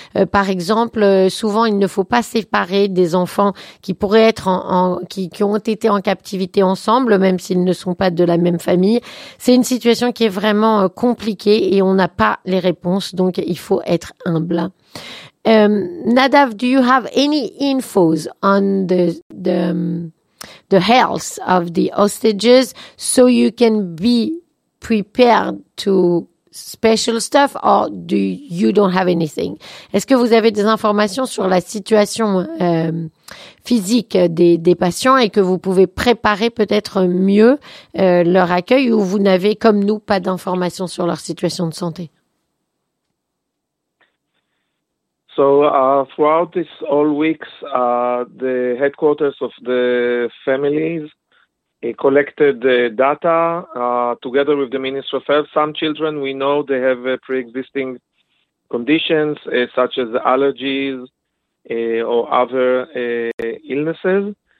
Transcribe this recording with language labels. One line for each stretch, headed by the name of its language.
French: Par exemple, souvent il ne faut pas séparer des enfants qui pourraient être qui ont été en captivité ensemble, même s'ils ne sont pas de la même famille. C'est une situation qui est vraiment compliquée et on n'a pas les réponses, donc il faut être humble.
English: Nadav, do you have any infos on the health of the hostages so you can be prepared to special stuff or do you don't have anything?
French: Est-ce que vous avez des informations sur la situation physique des patients et que vous pouvez préparer peut-être mieux leur accueil ou vous n'avez comme nous pas d'informations sur leur situation de santé?
English: So throughout this all weeks the headquarters of the families collected the data together with the Ministry of Health. Some children we know they have pre-existing conditions such as allergies or other illnesses.